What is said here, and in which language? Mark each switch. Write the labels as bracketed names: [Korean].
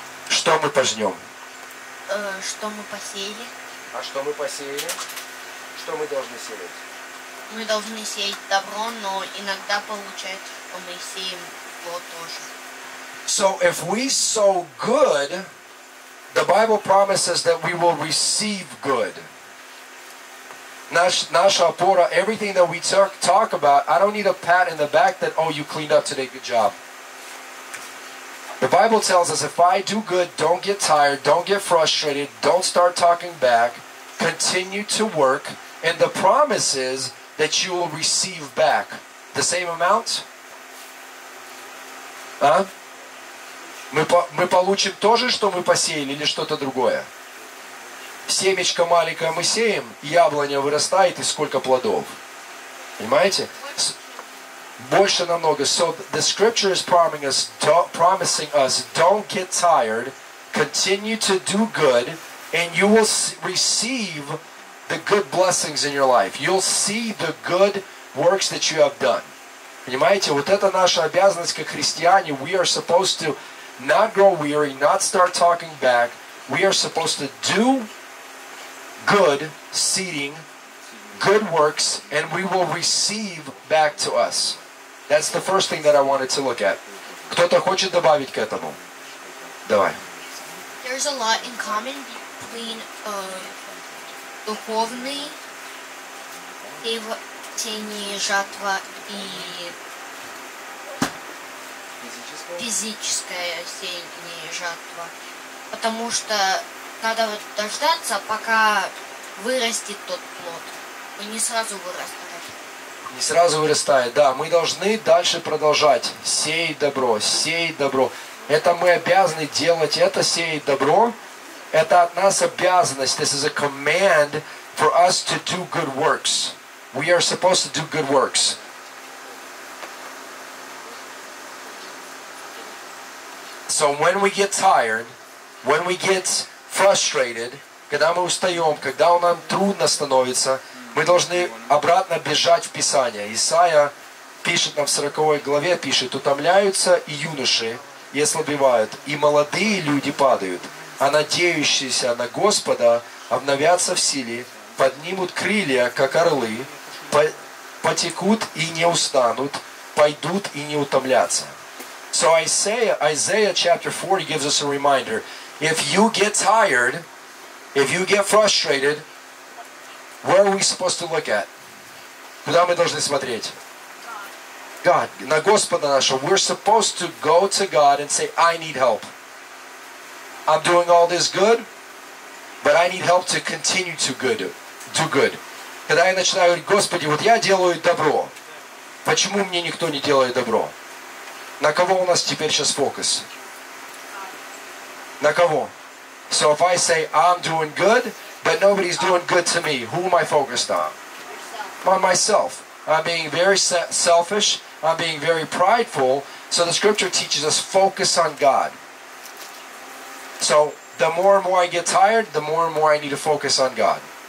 [Russian] Что мы пожнем? Что мы посеяли. А что мы посеяли? Что мы должны сеять? Мы должны сеять добро, но иногда получается, что мы сеем зло тоже. [English] So if we sow good, the Bible promises that we will receive good. [Russian] Наша опора, [English] everything that we talk about, I don't need a pat in the back that, oh, you cleaned up today, good job. The Bible tells us, if I do good, don't get tired, don't get frustrated, don't start talking back, continue to work, and the promise is that you will receive back the same amount. Huh? [Russian] Мы получим то же, что мы посеяли, или что-то другое? Семечко маленькое мы сеем, яблоня вырастает, и сколько плодов? Понимаете? Больше намного. [English] So the scripture is promising us, don't get tired, continue to do good, and you will receive the good blessings in your life. You'll see the good works that you have done. [Russian] Понимаете? Вот это наша обязанность как христиане. [English] We are supposed to not grow weary, not start talking back. We are supposed to do good seeding, good works, and we will receive back to us. That's the first thing that I wanted to look at. [Russian] Кто-то хочет добавить к этому? Давай. [English] There's a lot in common between [Russian] духовные тени жатва и физическое сеяние жатва. Потому что надо вот дождаться, пока вырастет тот плод. Он не сразу вырастает. Не сразу вырастает, да. Мы должны дальше продолжать. Сеять добро. Это мы обязаны делать, это сеять добро. Это от нас обязанность. [English] This is a command for us to do good works. We are supposed to do good works. So when we get tired, when we get frustrated, [Russian] когда мы устаем, когда нам трудно становится, мы должны обратно бежать в Писание. Исаия пишет нам в 40 главе, пишет, утомляются и юноши, и ослабевают, и молодые люди падают, а надеющиеся на Господа обновятся в силе, поднимут крылья, как орлы, потекут и не устанут, пойдут и не утомлятся. [English] So Isaiah chapter 40 gives us a reminder. If you get tired, if you get frustrated, where are we supposed to look at? [Russian] Куда мы должны смотреть? God. На Господа нашего. [English] We're supposed to go to God and say, I need help. I'm doing all this good, but I need help to continue to good, do good. [Russian] Когда я начинаю говорить, Господи, вот я делаю добро. Почему мне никто не делает добро? На кого у нас теперь сейчас фокус? На кого? [English] So if I say, I'm doing good, but nobody's doing good to me, who am I focused on? On myself. I'm being very selfish, I'm being very prideful. So the scripture teaches us, focus on God. So the more and more I get tired, the more and more I need to focus on God.